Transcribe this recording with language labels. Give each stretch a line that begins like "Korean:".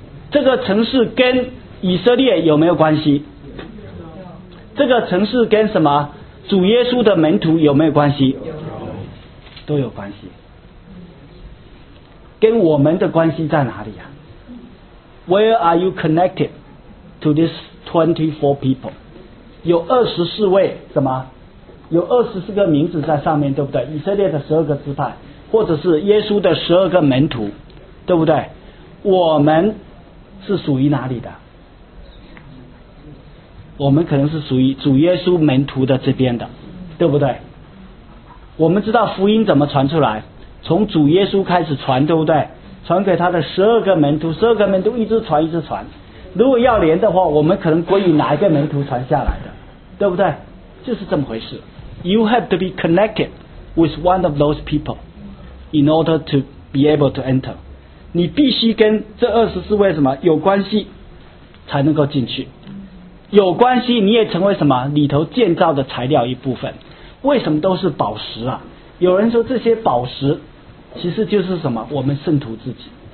Chinese: 这个城市跟以色列有没有关系？这个城市跟什么主耶稣的门徒有没有关系？都有关系。跟我们的关系在哪里啊？
English: Where are you connected to this 24 people？
Chinese: 有24位什么？有24个名字在上面，对不对？以色列的12个支派，或者是耶稣的12个门徒，对不对？我们是属于哪里的？我们可能是属于主耶稣门徒的这边的，对不对？我们知道福音怎么传出来，从主耶稣开始传，对不对？传给他的12个门徒，12个门徒一直传一直传。如果要连的话，我们可能归于哪一个门徒传下来的，对不对？就是这么回事。
English: You have to be connected with one of those people in order to be able to enter。
Chinese: 你必须跟这24位什么有关系才能够进去，有关系你也成为什么里头建造的材料一部分。为什么都是宝石啊？有人说这些宝石其实就是什么我们圣徒自己。